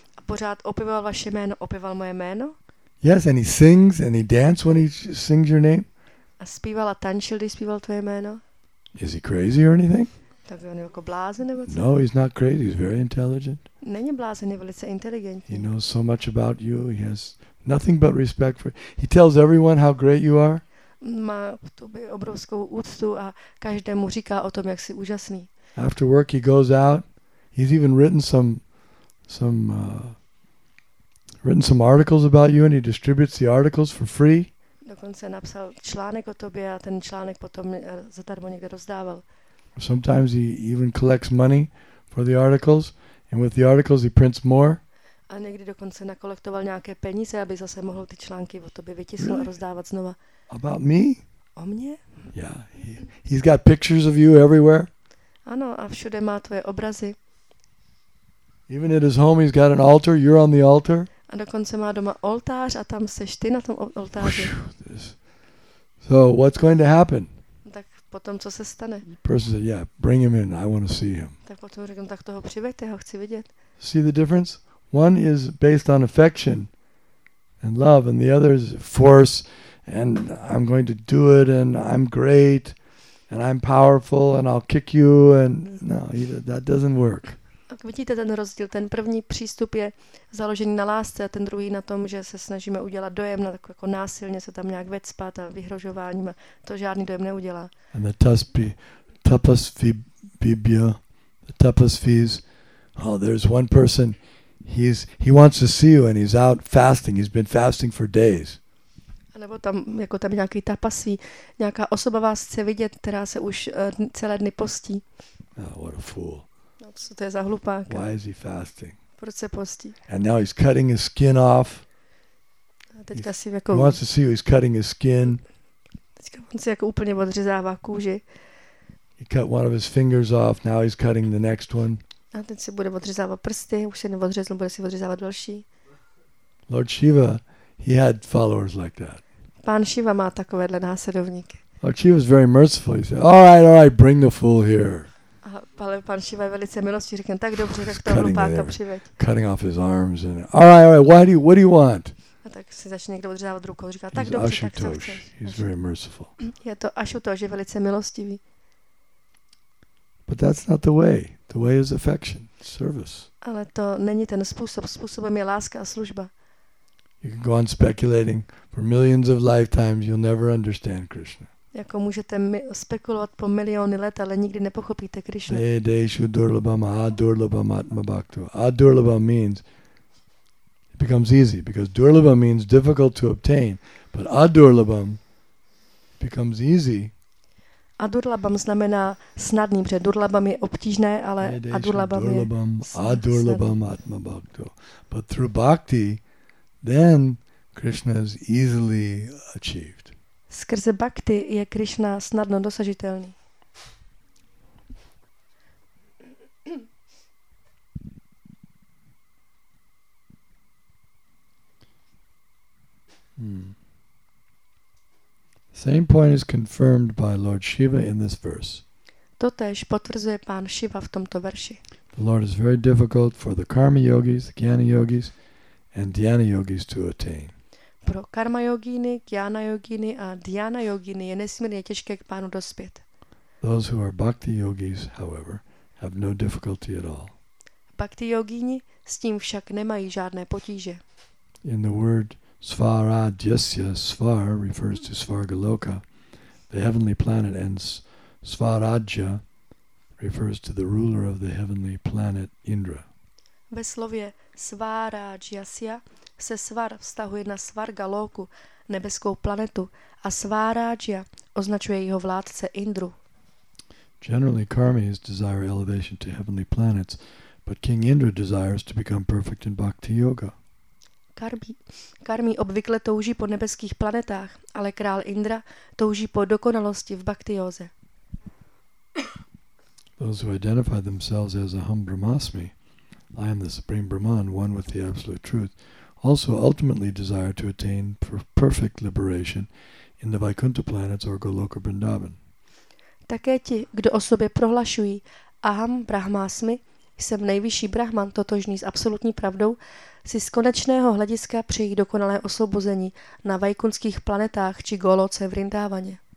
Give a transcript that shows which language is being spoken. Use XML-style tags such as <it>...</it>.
<cs>A pořád opěval vaše jméno, opěval moje jméno?</cs> <en>Yes, and he sings and he dances when he sings your name.</en> <cs>A zpíval a tančil, když zpíval tvoje jméno?</cs> <en>Is he crazy or anything?</en> <cs>Tak on je jako blázen nebo co?</cs> <en>No, he's not crazy, he's very intelligent.</en> <cs>Není blázen, je velice inteligentní.</cs> <en>He knows so much about you, he has nothing but respect for you. He tells everyone how great you are.</en> <cs>Má v tobě obrovskou úctu a každému říká o tom, jak jsi úžasný.</cs> <en>After work he goes out, he's even written some articles about you and he distributes the articles for free.</en> <cs>Dokonce napsal článek o tobě a ten článek potom zadarmo někde rozdával.</cs> <en>Sometimes he even collects money for the articles, and with the articles he prints more.</en> <cs>A někdy dokonce nakolektoval nějaké peníze, aby zase mohl ty články o tobě vytisnout</cs> <en>really?</en> <cs>A rozdávat znova.</cs> <en>About me?</en> <cs>O mně?</cs> <en>Yeah, he's got pictures of you everywhere.</en> <cs>Ano, a všude má tvoje obrazy.</cs> <en>Even at his home he's got an altar, you're on the altar.</en> <cs>A dokonce má doma oltář a tam seš ty na tom oltáři.</cs> <en>So what's going to happen?</en> <cs>Potom co se stane?</cs> <en>Person said, yeah, bring him in. I want to see him.</en> <cs>Tak potom řeknu, tak toho přiveďte, ho chci vidět.</cs> <en>See the difference? One is based on affection and love, and the other is force, and I'm going to do it, and I'm great, and I'm powerful, and I'll kick you, and no, that doesn't work.</en> <cs>Tak vidíte ten rozdíl. Ten první přístup je založený na lásce a ten druhý na tom, že se snažíme udělat dojem, na tak jako násilně se tam nějak vecpat a vyhrožováním. A to žádný dojem neudělá.</cs> <en>And the tapasvis, oh, there's one person, he wants to see you and he's out fasting, he's been fasting for days.</en> <cs>A nebo tam jako tam nějaký tapasví, nějaká osoba vás chce vidět, která se už celé dny postí.</cs> <en>Oh, what a fool.</en> <cs>Co to je za hlupáka?</cs> <en>Why is he fasting?</en> <cs>Proč se postí?</cs> <en>And now he's cutting his skin off.</en> <cs>Teďka si jako...</cs> <en>He wants to see you, he's cutting his skin.</en> <cs>Teďka on si jako úplně odřezává kůži.</cs> <en>He cut one of his fingers off, now he's cutting the next one.</en> <cs>A teď si bude odřezávat prsty, už se neodřezl, bude si odřezávat další.</cs> <en>Lord Shiva, he had followers like that.</en> <cs>Pán Shiva má takovéhle následovníky.</cs> <en>Lord Shiva was very merciful. He said, all right, bring the fool here.</en> <cs>Ale pan Shiva je velice milostivý, říkám, tak dobře, tak toho hlupáka přiveď.</cs> <en>Cutting off his arms and all right, what do you want?</en> <cs>A tak si začne někdo odřezávat rukou, říká, tak dobře, tak co chceš.</cs> <en>He's very merciful.</en> <cs>Je to Ashutosh, je velice milostivý.</cs> <en>But that's not the way. The way is affection, service.</en> <cs>Ale to není ten způsob. Způsobem je láska a služba.</cs> <en>You can go on speculating for millions of lifetimes, you'll never understand Krishna.</en> <cs>Jako můžete spekulovat po miliony let, ale nikdy nepochopíte Krishna.</cs> <sa>Hey, deshu durlabama, adurlabam atmabhaktu.</sa> <en>Adurlabha means, it becomes easy, because durlabha means difficult to obtain, but adurlabam becomes easy.</en> <cs>Adurlabam znamená snadný, protože durlabam je obtížné, ale adurlabam je snadný.</cs> <sa>Adurlabam atmabhaktu.</sa> <en>But through bhakti, then Krishna is easily achieved.</en> <cs>Skrze bhakti je Krishna snadno dosažitelný.</cs> <en>Same point is confirmed by Lord Shiva in this verse.</en> <cs>Totéž potvrzuje pán Shiva v tomto verši.</cs> <en>The Lord is very difficult for the karma yogis, the jnana yogis and dhyana yogis to attain.</en> <cs>Pro karma yogíny, jnana yogíny a dhyana yogíny je nesmírně těžké k pánu dospět.</cs> <en>Those who are bhakti yogis, however, have no difficulty at all.</en> <cs>Bhakti yogíni s tím však nemají žádné potíže.</cs> <en>In the word svaradhyasya, svar refers to svargaloka, the heavenly planet, and svarajya refers to the ruler of the heavenly planet Indra.</en> <cs>Ve slově svaradhyasya se svar vztahuje na svargaloku, nebeskou planetu, a svarajya označuje jeho vládce Indru.</cs> <en>Generally, karmis desire elevation to heavenly planets, but King Indra desires to become perfect in bhakti yoga.</en> <cs>Karmi obvykle touží po nebeských planetách, ale král Indra touží po dokonalosti v bhakti yoze.</cs> <en>Those who identify themselves as</en> <sa>aham brahmasmi,</sa> <en>I am the supreme Brahman, one with the absolute truth, also ultimately desire to attain perfect liberation in the Vaikuntha planets or Goloka Vrindavan.</en> <cs>Také ti, kdo o sobě prohlašují</cs> <sa>aham brahmasmi,</sa> <cs>jsem nejvyšší Brahman, totožný s absolutní pravdou, si z konečného hlediska přejí dokonalé osvobození na vajkunských planetách či Goloce v Rindávaně.</cs>